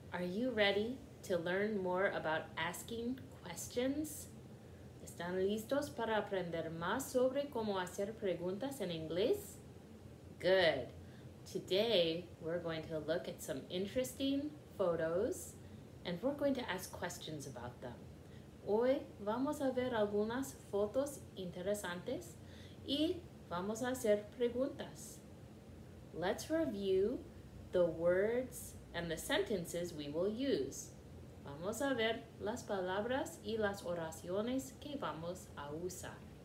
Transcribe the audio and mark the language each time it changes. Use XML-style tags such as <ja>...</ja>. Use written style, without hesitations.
<en>Are you ready to learn more about asking questions?</en> <es>¿Están listos para aprender más sobre cómo hacer preguntas en inglés?</es> <en>Good. Today, we're going to look at some interesting photos and we're going to ask questions about them.</en> <es>Hoy vamos a ver algunas fotos interesantes y vamos a hacer preguntas.</es> <en>Let's review the words and the sentences we will use.</en> <es>Vamos a ver las palabras y las oraciones que vamos a usar.</es>